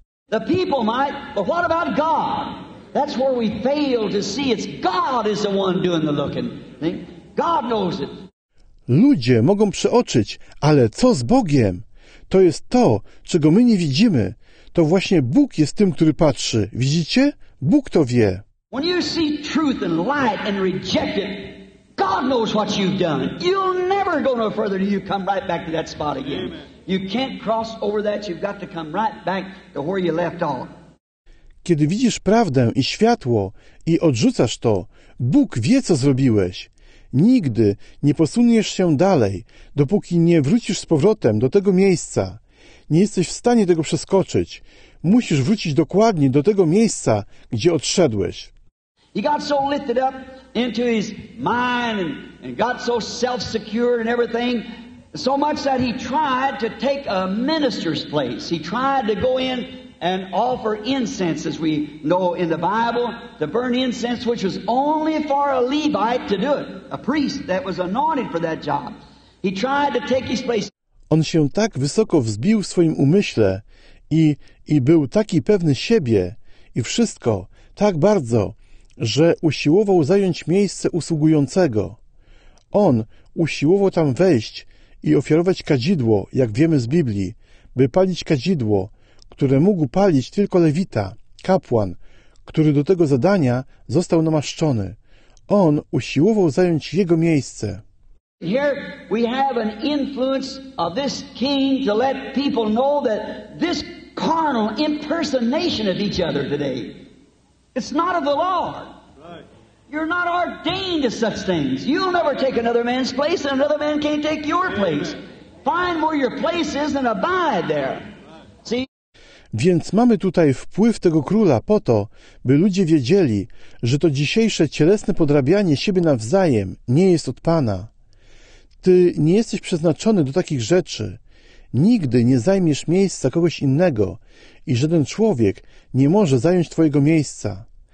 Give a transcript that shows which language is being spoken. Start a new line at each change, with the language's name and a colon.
English: The people might, but what about God? That's where we fail to see it's God is the one doing the looking. God knows it.
Polish: Ludzie mogą przeoczyć, ale co z Bogiem? To jest to, czego my nie widzimy. To właśnie Bóg jest tym, który patrzy. Widzicie? Bóg to wie.
English: When you see truth and light and reject it, God knows what you've done. You'll never go no further till you come right back to that spot again. You can't cross over that. You've got to come right back to where you left off.
Polish: Kiedy widzisz prawdę i światło i odrzucasz to, Bóg wie, co zrobiłeś. Nigdy nie posuniesz się dalej, dopóki nie wrócisz z powrotem do tego miejsca. Nie jesteś w stanie tego przeskoczyć. Musisz wrócić dokładnie do tego miejsca, gdzie odszedłeś.
English: He got so lifted up into his mind and got so self-secured and everything, so much that he tried to take a minister's place. He tried to go in and offer incense, as we know in the Bible, to burn incense, which was only for a Levite to do it, a priest that was anointed for that job. He tried to take his place.
Polish: On się tak wysoko wzbił w swoim umyśle i był taki pewny siebie i wszystko tak bardzo, że usiłował zająć miejsce usługującego. On usiłował tam wejść i ofiarować kadzidło, jak wiemy z Biblii, by palić kadzidło, które mógł palić tylko lewita, kapłan, który do tego zadania został namaszczony. On usiłował zająć jego miejsce.
English: Here we have an influence of this king to let people know that this carnal impersonation of each other today, it's not of the Lord. You're not ordained to such things. You'll never take another man's place, and another man can't take your place. Find where your place is and abide there. See?
Polish: Więc mamy tutaj wpływ tego króla po to, by ludzie wiedzieli, że to dzisiejsze cielesne podrabianie siebie nawzajem nie jest od Pana. Ty nie jesteś przeznaczony do takich rzeczy. Nigdy nie zajmiesz miejsca kogoś innego i żaden człowiek nie może zająć twojego miejsca.